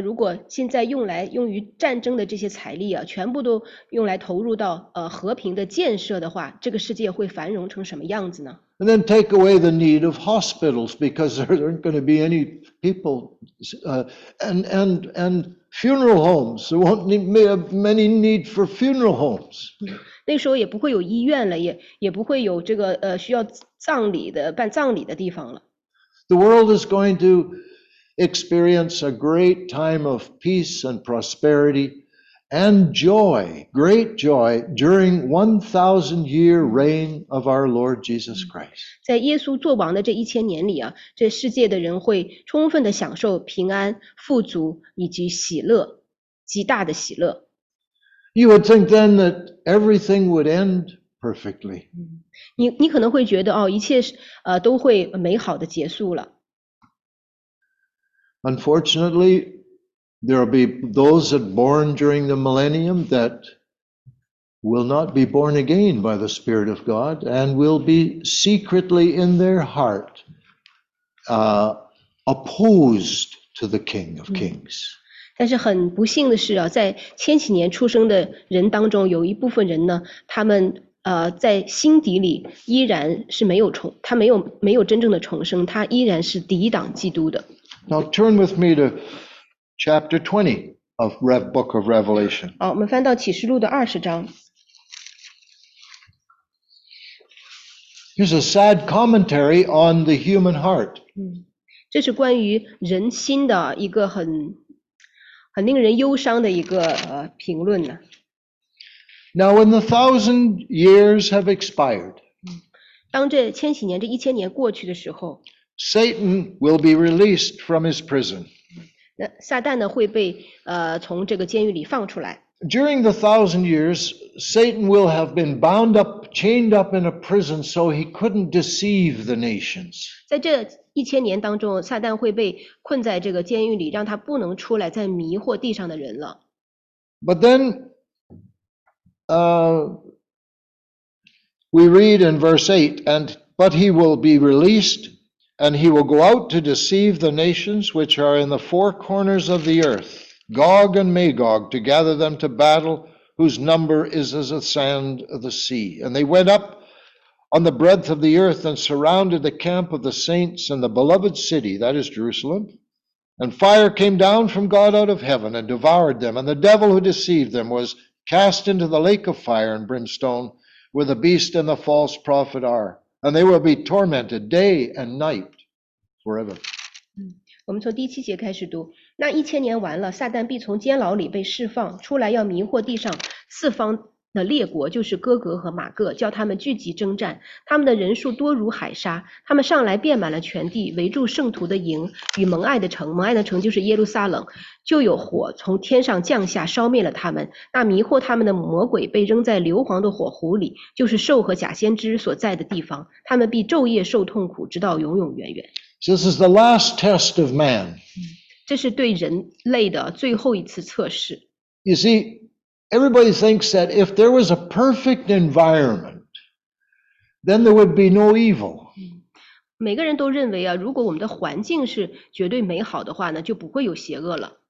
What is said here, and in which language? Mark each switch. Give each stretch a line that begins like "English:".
Chinese: 如果现在用于战争的这些财力啊，全部都用来投入到和平的建设的话，这个世界会繁荣成什么样子呢？
English: And then take away the need of hospitals because there aren't going to be any people, and funeral homes. There won't be many need for funeral homes.
Chinese: 那时候也不会有医院了，也不会有这个需要葬礼的办葬礼的地方了。
English: The world is going to experience a great time of peace and prosperity and joy, great joy, during 1,000 year reign of our Lord Jesus Christ.
Chinese: 在耶稣作王的这一千年里啊，这世界的人会充分的享受平安、富足以及喜乐，极大的喜乐。
English: You would think then that everything would end perfectly.
Chinese: 你可能会觉得哦，一切都会美好的结束了。
English: Unfortunately, there will be those that born during the millennium that will not be born again by the Spirit of God and will be secretly in their heart opposed to the King of Kings.
Chinese: 但是很不幸的是啊，在千禧年出生的人当中，有一部分人呢，他们在心底里依然是没有真正的重生，他依然是抵挡基督的。
English: Now turn with me to chapter 20 of the book of Revelation.
Chinese: 好，我们翻到启示录的二十章。
English: Here's a sad commentary on the human heart.
Chinese: 这是关于人心的一个很令人忧伤的一个评论呢。
English: Now when the 1,000 years have expired,
Chinese: 当这千禧年这一千年过去的时候，
English: Satan will be released from his prison.
Chinese: 那撒旦呢会被从这个监狱里放出来。
English: During the 1,000 years, Satan will have been bound up, chained up in a prison, so he couldn't deceive the nations.
Chinese: 在这一千年当中，撒旦会被困在这个监狱里，让他不能出来再迷惑地上的人了。
English: But then, we read in verse 8, but he will be released. And he will go out to deceive the nations which are in the four corners of the earth, Gog and Magog, to gather them to battle, whose number is as the sand of the sea. And they went up on the breadth of the earth and surrounded the camp of the saints and the beloved city, that is Jerusalem. And fire came down from God out of heaven and devoured them. And the devil who deceived them was cast into the lake of fire and brimstone, where the beast and the false prophet are. And they will be tormented day and night forever.
Chinese: 我们从第七节开始读。那一千年完了，撒旦必从监牢里被释放出来，要迷惑地上四方的列国，就是哥格和马各，叫他们聚集征战。他们的人数多如海沙，他们上来遍满了全地，围住圣徒的营与蒙爱的城。蒙爱的城就是耶路撒冷，就有火从天上降下，烧灭了他们。那迷惑他们的魔鬼被扔在硫磺的火湖里，就是兽和假先知所在的地方。他们必昼夜受痛苦，直到永永远远。
English: This is the last test of man.
Chinese: 这是对人类的最后一次测试。
English: You see, Everybody thinks that if there was a perfect environment, then there would be no evil.
Chinese: 每个人都认为啊，如果我们的环境是绝对美好的话呢，就不会有邪恶了。